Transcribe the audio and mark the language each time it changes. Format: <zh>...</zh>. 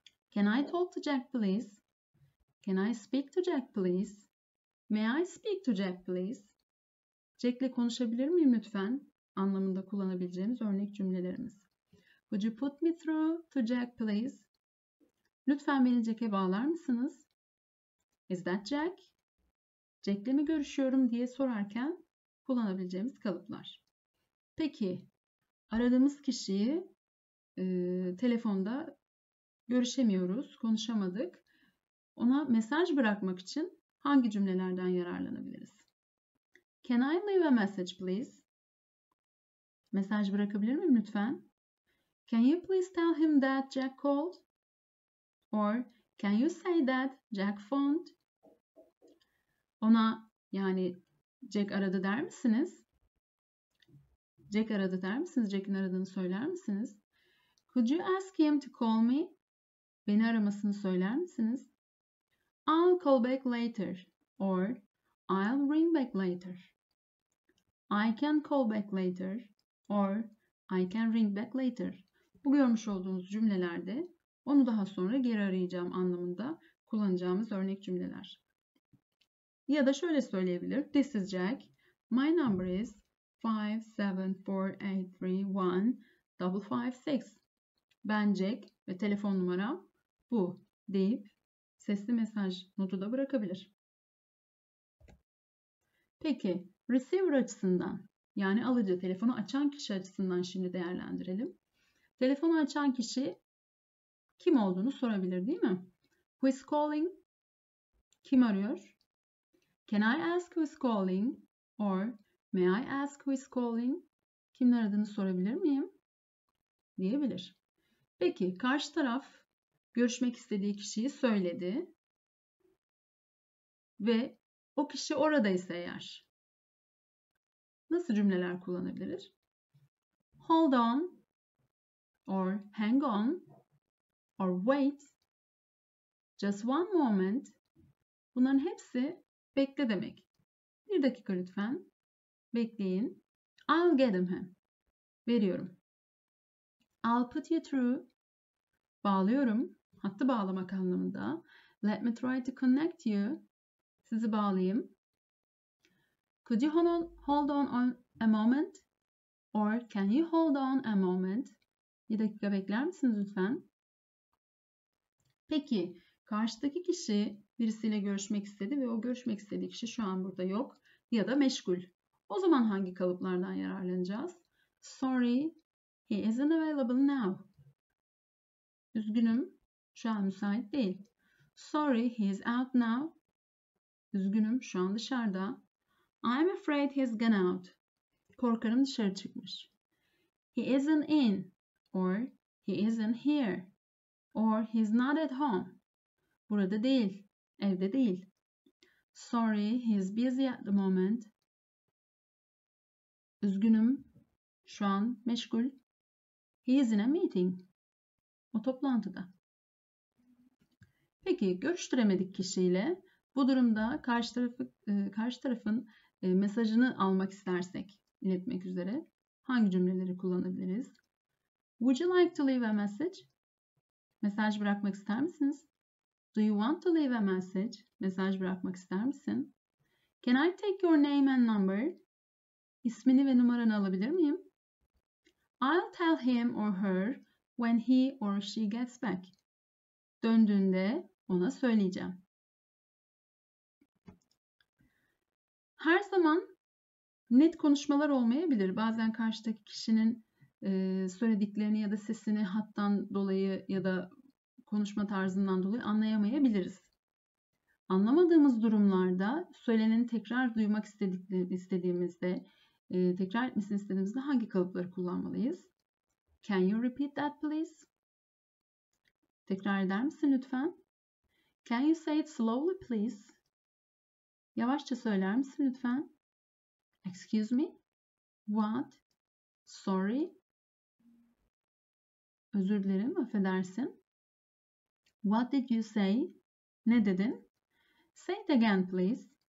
<en>Can I talk to Jack please? Can I speak to Jack please? May I speak to Jack please?</en> <tr>Jack'le konuşabilir miyim lütfen? Anlamında kullanabileceğimiz örnek cümlelerimiz.</tr> <en>Would you put me through to Jack please?</en> <tr>Lütfen beni Jack'e bağlar mısınız?</tr> <en>Is that Jack?</en> <tr>Jack'le mi görüşüyorum diye sorarken kullanabileceğimiz kalıplar. Peki, aradığımız kişiyi telefonda görüşemiyoruz, konuşamadık. Ona mesaj bırakmak için hangi cümlelerden yararlanabiliriz?</tr> <en>Can I leave a message please?</en> <tr>Mesaj bırakabilir miyim lütfen?</tr> <en>Can you please tell him that Jack called? Or can you say that Jack phoned?</en> <tr>Ona, yani Jack aradı der misiniz? Jack aradı der misiniz? Jack'in aradığını söyler misiniz?</tr> <en>Could you ask him to call me?</en> <tr>Beni aramasını söyler misiniz?</tr> <en>I'll call back later. Or I'll ring back later. I can call back later. Or I can ring back later.</en> <tr>Bu görmüş olduğunuz cümlelerde onu daha sonra geri arayacağım anlamında kullanacağımız örnek cümleler. Ya da şöyle söyleyebilir.</tr> <en>This is Jack. My number is 574831556.</en> <tr>Ben Jack ve telefon numaram bu deyip sesli mesaj notu da bırakabilir. Peki, receiver açısından, yani alıcı, telefonu açan kişi açısından şimdi değerlendirelim. Telefonu açan kişi kim olduğunu sorabilir, değil mi?</tr> <en>Who is calling?</en> <tr>Kim arıyor?</tr> <en>Can I ask who is calling? Or may I ask who is calling?</en> <tr>Kimin aradığını sorabilir miyim? Diyebilir. Peki, karşı taraf görüşmek istediği kişiyi söyledi. Ve o kişi oradaysa eğer. Nasıl cümleler kullanabilir?</tr> <en>Hold on. Or hang on. Or wait, just one moment.</en> <tr>Bunların hepsi bekle demek. Bir dakika lütfen, bekleyin.</tr> <en>I'll get him.</en> <tr>Veriyorum.</tr> <en>I'll put you through.</en> <tr>Bağlıyorum, hattı bağlamak anlamında.</tr> <en>Let me try to connect you.</en> <tr>Sizi bağlayayım.</tr> <en>Could you hold on a moment? Or can you hold on a moment?</en> <tr>Bir dakika bekler misiniz lütfen? Peki, karşıdaki kişi birisiyle görüşmek istedi ve o görüşmek istediği kişi şu an burada yok ya da meşgul. O zaman hangi kalıplardan yararlanacağız?</tr> <en>Sorry, he isn't available now.</en> <tr>Üzgünüm, şu an müsait değil.</tr> <en>Sorry, he is out now.</en> <tr>Üzgünüm, şu an dışarıda.</tr> <en>I'm afraid he's gone out.</en> <tr>Korkarım dışarı çıkmış.</tr> <en>He isn't in or he isn't here or he's not at home.</en> <tr>Burada değil, evde değil.</tr> <en>Sorry, he's busy at the moment.</en> <tr>Üzgünüm, şu an meşgul.</tr> <en>He is in a meeting.</en> <tr>O toplantıda. Peki, görüştüremedik kişiyle bu durumda karşı tarafın mesajını almak istersek, iletmek üzere hangi cümleleri kullanabiliriz?</tr> <en>Would you like to leave a message?</en> <tr>Mesaj bırakmak ister misiniz?</tr> <en>Do you want to leave a message?</en> <tr>Mesaj bırakmak ister misin?</tr> <en>Can I take your name and number?</en> <tr>İsmini ve numaranı alabilir miyim?</tr> <en>I'll tell him or her when he or she gets back.</en> <tr>Döndüğünde ona söyleyeceğim. Her zaman net konuşmalar olmayabilir. Bazen karşıdaki kişinin söylediklerini ya da sesini hattan dolayı ya da konuşma tarzından dolayı anlayamayabiliriz. Anlamadığımız durumlarda söyleneni tekrar duymak istediğimizde, tekrar etmesini istediğimizde hangi kalıpları kullanmalıyız?</tr> <en>Can you repeat that please?</en> <tr>Tekrar eder misin lütfen?</tr> <en>Can you say it slowly please?</en> <tr>Yavaşça söyler misin lütfen?</tr> <en>Excuse me? What? Sorry?</en> <tr>Özür dilerim, affedersin.</tr> <en>What did you say?</en> <tr>Ne dedin?</tr> <en>Say it again, please.</en>